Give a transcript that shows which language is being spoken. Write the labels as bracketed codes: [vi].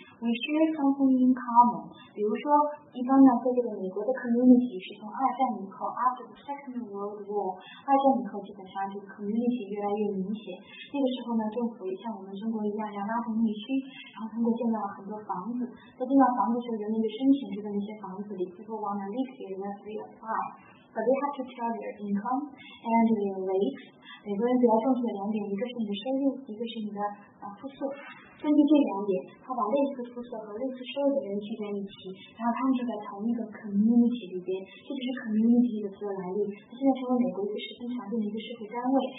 [en] We share something in common。 [zh] 比如说，一般呢，在这个美国的 community 是从二战以后 ， [en] after the Second World War， [zh] 二战以后基本上这个 community 越来越明显。那个时候呢，政府也像我们中国一样要拉动内需，然后通过建造了很多房子。在建造房子的时候，人们就申请住在那些房子里。 [en] People wanna live here, let's reapply。 But they have to tell their income and their rates。 [zh] 美国人比较重视的两点，一个是你的收入，一个是你的住宿。根据这两点，他把类似住宿和类似收入的人聚在一起，然后他们就在同一个 community 里边。这就是 community 的所有来历。它现在成为美国一个十分常见的一个社会单位。